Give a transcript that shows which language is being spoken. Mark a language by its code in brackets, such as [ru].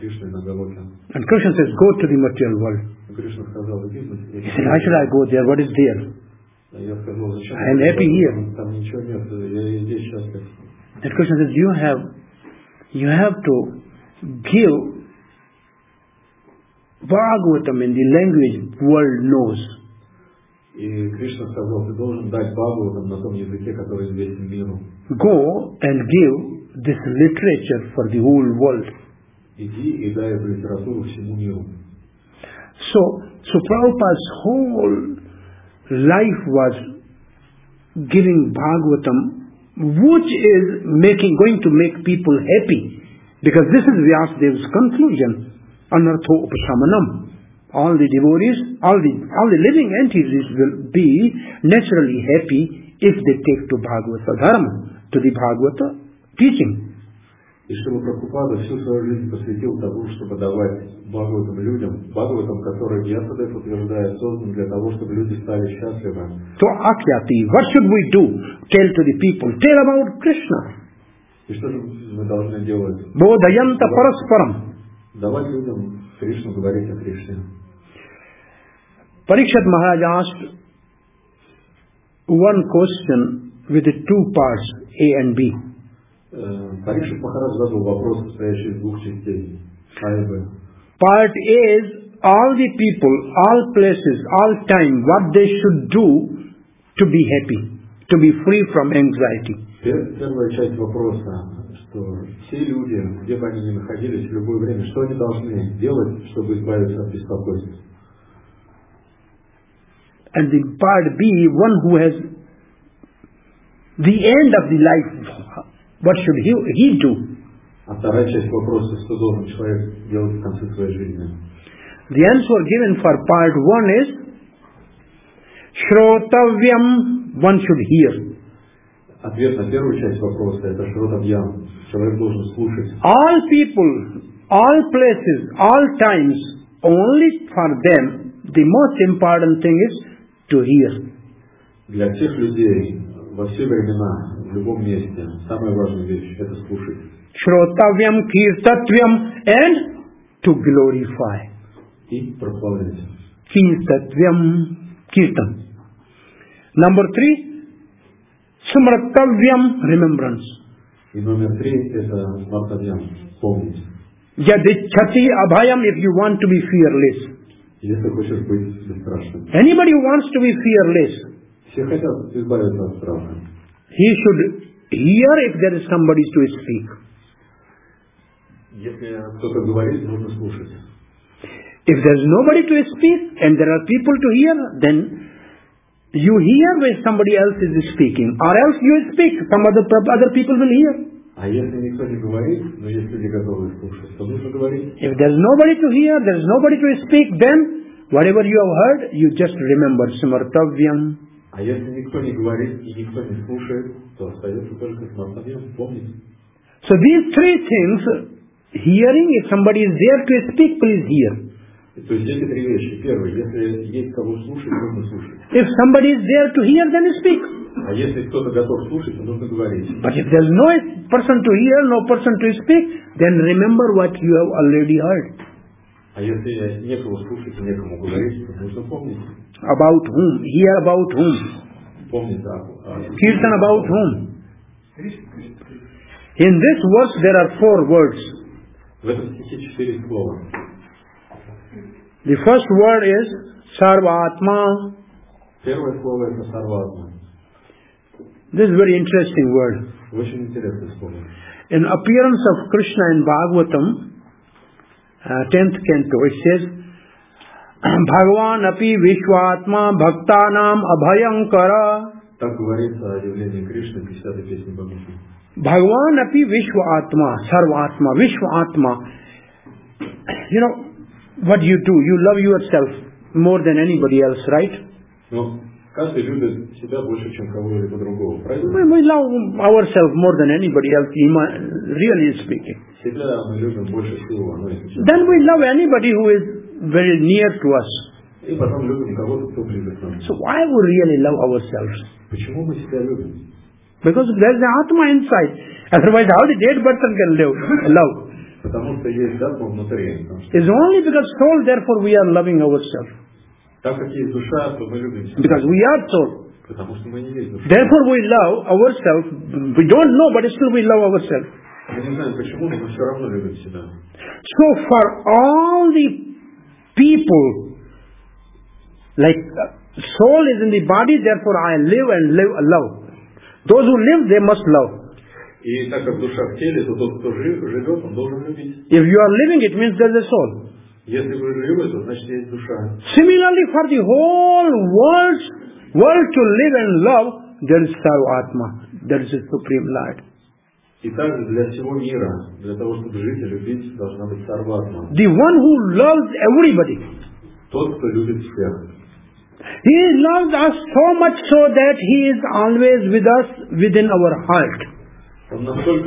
[en] And Krishna says, go to the material world. He said, why should I go there? What is there? I am happy here. And Krishna says, you have to give Bhagavatam in the language world knows. [ru] И Кришна сказал, ты должен дать Бхагаватам на том языке, который известен миру. [en] Go and give this literature for the whole world. [ru] Иди и дай эту литературу всему миру. [en] So Prabhupada's whole life was giving Bhagavatam, which is going to make people happy. Because this is Vyasadeva's conclusion, [sa] anartho upashamanam. [en] All the devotees, all the living entities will be naturally happy if they take to Bhagavata Dharma, to the Bhagavata teaching. [ru] И чтобы Прабхупада всю свою жизнь посвятил тому, чтобы давать Бхагаватам людям, Бхагаватам, которые Вьясадев утверждает, создан для того, чтобы люди стали счастливы. [en] So, Akhyati, what should we do? Tell to the people. Tell about Krishna. [ru] И что же мы должны делать? [sa] Бодхаянта параспарам. [ru] Давать людям Кришну, говорить о Кришне. [en] Parikshit Maharaj asked one question with the two parts, A and B. [ru] Parikshit Maharaj задал вопрос, состоящий из двух частей, A и B. [en] Part A is all the people, all places, all time, what they should do to be happy, to be free from anxiety. [ru] Первая часть вопроса, что все люди, где бы они ни находились в любое время, что они должны делать, чтобы избавиться от беспокойства? [en] And the part B, one who has the end of the life, what should he do? [ru] А вторая часть вопроса, что должен человек делать в конце своей жизни? [en] The answer given for part one is Shrotavyam, one should hear. [ru] Ответ на первую часть вопроса, это Shrotavyam, человек должен слушать. [en] All people, all places, all times, only for them, the most important thing is to hear. [ru] Для всех людей во все времена, в любом месте, самая важная вещь это слушать. [sa] Shrotavyam kirtatvyam [en] and to glorify. [ru] И прославлять. [en] Kirtatvyam kirtan. Number three, smrtavyam remembrance. [ru] И номер три это smrtavyam помнить. [sa] Yadichati abhayam [en] if you want to be fearless. [ru] Если хочешь быть бесстрашным. [en] Anybody wants to be fearless. [ru] Все хотят избавиться от страха. [en] He should hear if there is somebody to speak. [ru] Если кто-то говорит, нужно слушать. [en] If there is nobody to speak and there are people to hear, then you hear when somebody else is speaking, or else you speak, some other people will hear. [ru] А если никто не говорит, но есть люди готовы слушать, то нужно говорить. [en] If there is nobody to hear, there is nobody to speak, then whatever you have heard, you just remember smrtavyam. [ru] А если никто не говорит и никто не слушает, то остается только смрtavyam, помнить. [en] So these three things, hearing, if somebody is there to speak, please hear. [ru] То есть эти три вещи. Первое, если есть кого слушать, нужно слушать. [en] If somebody is there to hear, then speak. [ru] А если кто-то готов слушать, то нужно говорить. [en] But if there's no person to hear, no person to speak, then remember what you have already heard. [ru] А если некого слушать и некому говорить, то нужно помнить. [en] About whom? Hear about whom? [ru] Помнить о [en] Kirtan about whom? In this verse there are four words. [ru] В этом стихе четыре слова. [en] The first word is Sarvatma. [ru] Первое слово это Sarvatma. [en] This is a very interesting word. [ru] Очень интересное слово. [en] In appearance of Krishna in Bhagavatam, 10th canto, it says, [sa] Bhagavan api Vishvatma bhaktanam abhayankara. [ru] Так говорится о явлении Кришны, 50-й песне Бхагаватам. [sa] Bhagavan api Vishvatma, Sarvatma, Vishvatma. [en] You know, what you do, you love yourself more than anybody else, right? No. [ru] Каждый любит себя больше, чем кого-либо другого, правильно? [en] We love ourselves more than anybody else, really speaking. [ru] Себя мы любим больше всего. [en] Then we love anybody who is very near to us. [ru] И потом любим кого-то, кто ближе к нам. [en] So why we really love ourselves? [ru] Почему мы себя любим? [en] Because there is the Atma inside. Otherwise, how the dead person can live, love? [ru] Потому что есть Атма внутри. [en] It's only because soul, therefore we are loving ourselves. [ru] Так как есть душа, то мы любим себя. [en] Because we are soul. [ru] Потому что мы не есть душа. [en] Therefore we love ourselves. We don't know, but still we love ourselves. [ru] Мы не знаем почему, но мы все равно любим себя. [en] So for all the people, like soul is in the body, therefore I live and live love. Those who live, they must love. [ru] И так как душа в теле, то тот, кто живет, он должен любить. [en] If you are living, it means there's a soul. [ru] Если вы живы, то значит есть душа. [en] Similarly, for the whole world to live and love, there is Sarvatma, there is a Supreme Lord. [ru] И также для всего мира, для того, чтобы жить и любить, должна быть Sarvatma. [en] The one who loves everybody. [ru] Тот, кто любит всех. [en] He loves us so much so that He is always with us within our heart.